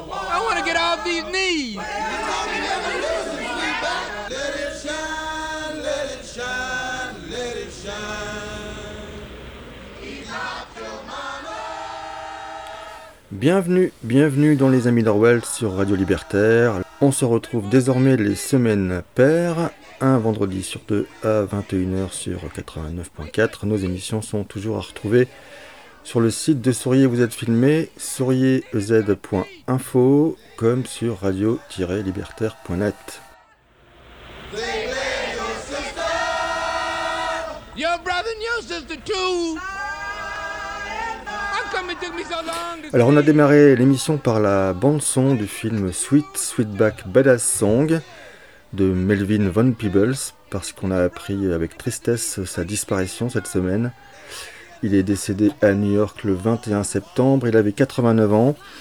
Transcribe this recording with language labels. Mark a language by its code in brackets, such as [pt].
[en] I want to get off these knees. You talking revolution, sweetback. Let it shine, let it shine, let it shine. He's not your mama. [fr] Bienvenue dans les Amis d'Orwell sur Radio Libertaire. On se retrouve désormais les semaines paires, un vendredi sur deux à 21h sur 89.4. Nos émissions sont toujours à retrouver sur le site de Souriez, vous êtes filmé, souriez.z.info, comme sur radio-libertaire.net. [en] They Your brother and your sister too. How come it took me so long to... [fr] Alors on a démarré l'émission par la bande-son du film Sweet Sweetback Badass Song de Melvin Von Peebles, parce qu'on a appris avec tristesse sa disparition cette semaine. Il est décédé à New York le 21 septembre, il avait 89 ans.